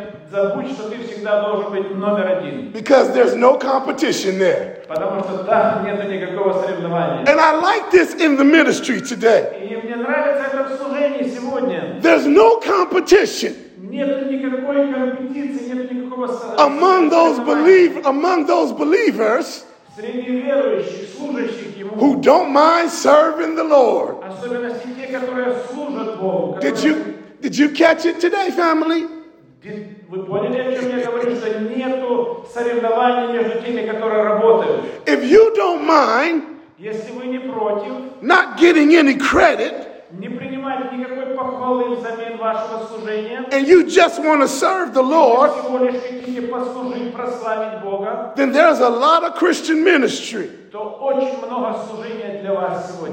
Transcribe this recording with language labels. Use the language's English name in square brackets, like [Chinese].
[Russian] забудь, что ты всегда должен быть номер один. [English] Because there's no competition there. [Russian] Потому что там нету никакого соревнования. [English] And I like this in the ministry today. [Russian] И мне нравится это в служении сегодня. [English] There's no competition. [Russian] Нету никакой компетиции, нету никакого соревнования. [English] Among those believers. [Russian] Среди верующих, служащих Ему. [English] Who don't mind serving the Lord. [Russian] Особенно те, которые служат Богу. Которые... [English] Did you catch it today, family? [Russian] Вы поняли, о чем я говорю, что нету соревнований между теми, которые работают. [English] If you don't mind, [Russian] если вы не против, [English] not getting any credit, [Russian] не принимать никакой похвалы взамен вашего служения, [English] and you just want to serve the Lord, [Russian] если вы всего лишь хотите послужить, прославить Бога, [English] then there's a lot of Christian ministry, [Russian] то очень много служения для вас сегодня,